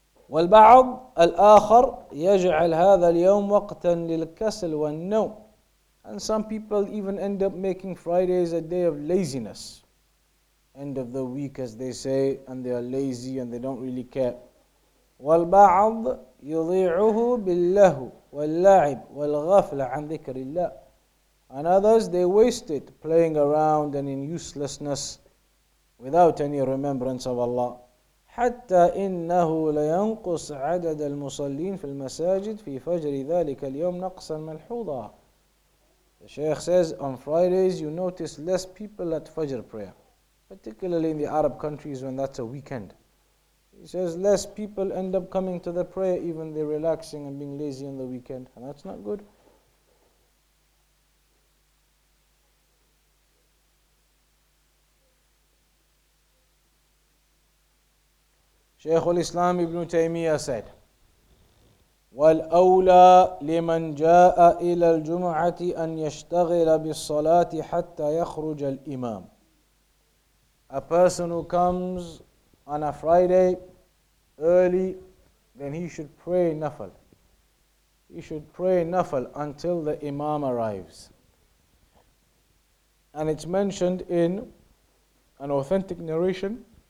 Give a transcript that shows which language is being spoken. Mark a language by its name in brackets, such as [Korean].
[Arabic] وَالْبَعْضُ الْآخَرُ يَجْعَلْ هَذَا الْيَوْمَ وَقْتًا لِلْكَسَلِ وَالنَّوْمِ. [English] And some people even end up making Fridays a day of laziness. End of the week, as they say, and they are lazy and they don't really care. [Arabic] والبعض يضيعه باللهو واللعب والغفلة عن ذكر الله. [English] And others, they waste it playing around and in uselessness without any remembrance of Allah. [Arabic] حتى إنه لينقص عدد المصلين في المساجد في فجر ذلك اليوم نقصا ملحوظا. [English] The Shaykh says, on Fridays you notice less people at Fajr prayer, particularly in the Arab countries when that's a weekend. He says less people end up coming to the prayer, even they're relaxing and being lazy on the weekend, and that's not good. Shaykh al-Islam Ibn Taymiyyah said, [Arabic] والأولى لمن جاء إلى الجمعة أن يشتغل بالصلاة حتى يخرج الإمام. [English] A person who comes on a Friday early, then he should pray nafil. He should pray nafil until the Imam arrives. And it's mentioned in an authentic narration.